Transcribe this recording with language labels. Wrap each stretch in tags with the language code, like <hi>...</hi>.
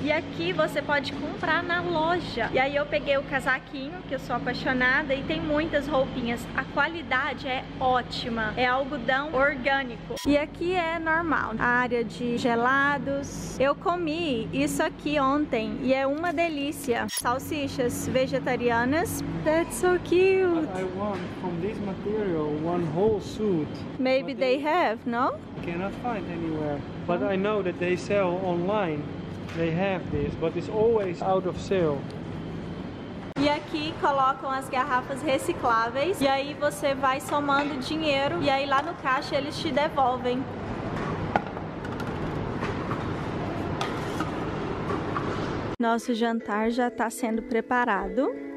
<pt>E aqui você pode comprar na loja. E aí eu peguei o casaquinho, que eu sou apaixonada, e tem muitas roupinhas. A qualidade é ótima. É algodão orgânico. E aqui é normal. A área de gelados. Eu comi isso aqui ontem e é uma delícia. Salsichas vegetarianas.</pt> <en>That's so cute. But I want from this material one whole suit. Maybe they have, no? Cannot find anywhere. But I know that they sell online. They have this, but it's always out of sale.</en> <pt>E aqui colocam as garrafas recicláveis e aí você vai somando dinheiro e aí lá no caixa eles te devolvem. Nosso jantar já está sendo preparado.</pt>